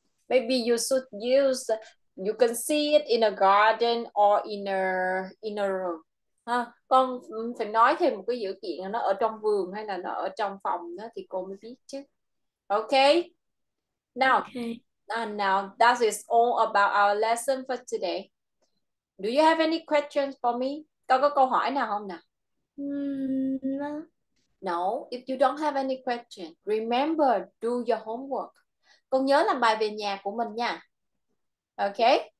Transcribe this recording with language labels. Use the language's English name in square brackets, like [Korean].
[English] Maybe you should use, you can see it in a garden or in a room. [Vietnamese] Ha, con phải nói thêm một cái dữ kiện nó ở trong vườn hay là nó ở trong phòng đó thì cô mới biết chứ. [English] Okay. Now, okay. Now that is all about our lesson for today. Do you have any questions for me? [Vietnamese] Con có câu hỏi nào không nào? [English] No. No. If you don't have any question, remember do your homework. [Vietnamese] Con nhớ làm bài về nhà của mình nha. [English] Okay.